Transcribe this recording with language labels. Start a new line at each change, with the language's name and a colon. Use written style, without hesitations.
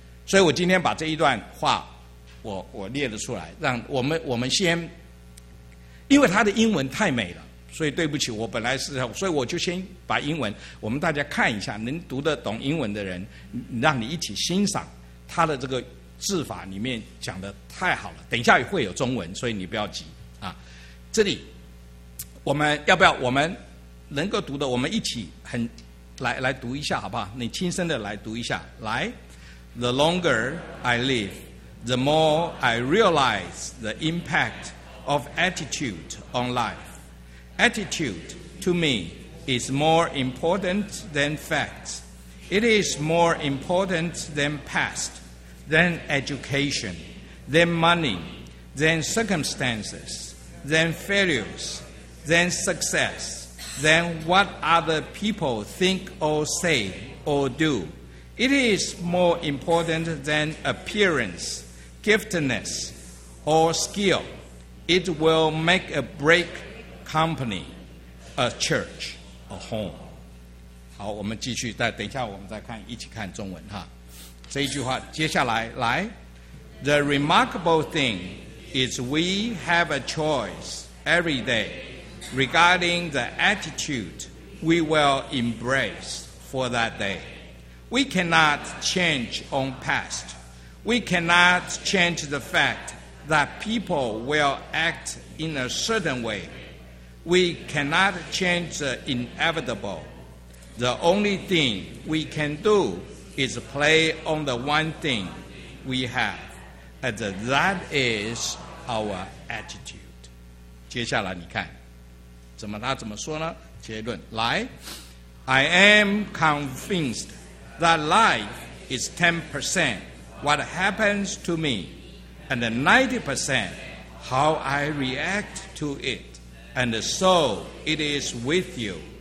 Chinese: 所以我今天把这一段话我列了出来，让我们先，因为它的英文太美了，所以对不起，我本来是，所以我就先把英文我们大家看一下，能读得懂英文的人让你一起欣赏他的这个字法里面讲得太好了，等一下会有中文，所以你不要急啊。这里我们要不要我们能够读的我们一起很来读一下好不好，你轻声的来读一下，来。
English: The longer I live, the more I realize the impact of attitude on life. Attitude to me is more important than facts. It is more important than past, than education, than money, than circumstances, than failures, than success, than what other people think or say or do. It is more important than appearance, giftedness, or skill. It will make a break company, a church, a home.
Chinese: 好，我们继续，再等一下我们再看，一起看中文哈。这一句话接下来来。
English: The remarkable thing is we have a choice every day regarding the attitude we will embrace for that day. We cannot change on past. We cannot change the fact that people will act in a certain way. We cannot change the inevitable. The only thing we can do is play on the one thing we have, and that is our attitude.
Chinese: 接下来你看怎么他怎么说呢？结论来。
English: I am convinced that life is 10% what happens to me and 90% how I react to it, and so it is with you.